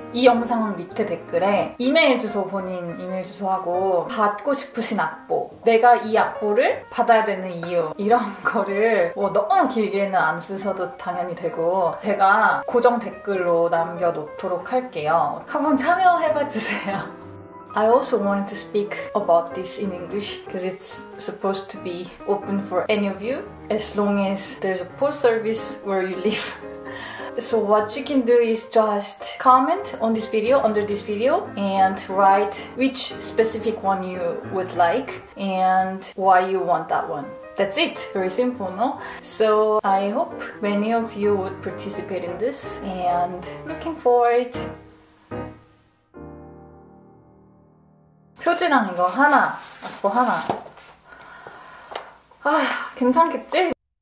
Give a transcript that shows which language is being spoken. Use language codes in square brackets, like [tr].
[ko] 이 영상 밑에 댓글에 이메일 주소, 본인 이메일 주소하고 받고 싶으신 악보, 내가 이 악보를 받아야 되는 이유 이런 거를 뭐 너무 길게는 안 쓰셔도 당연히 되고 제가 고정 댓글로 남겨놓도록 할게요. 한번 참여해봐 주세요. [en] I also wanted to speak about this in English because it's supposed to be open for any of you as long as there's a post service where you live. So what you can do is just comment on this video, under this video, and write which specific one you would like and why you want that one. That's it. Very simple, no? So I hope many of you would participate in this and looking forward. [ko] 표지랑 이거 하나, 악보 하나. 아, 괜찮겠지?